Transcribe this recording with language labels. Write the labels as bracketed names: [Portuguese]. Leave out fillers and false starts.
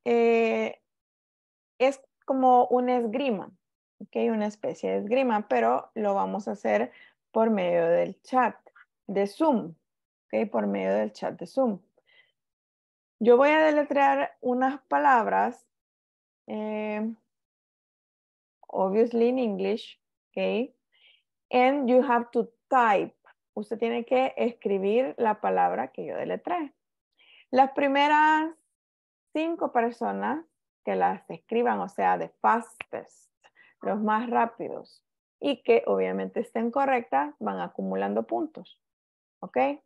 [Spanish] Es como una esgrima, okay, una especie de esgrima, pero lo vamos a hacer por medio del chat de Zoom, okay, por medio del chat de Zoom. Yo voy a deletrear unas palabras, [English] obviously in English, okay, and you have to type. [Spanish] Usted tiene que escribir la palabra que yo deletré. Las primeras 5 personas que las escriban, o sea, [English] the fastest, [Spanish] los más rápidos, y que obviamente estén correctas, van acumulando puntos. ¿Ok?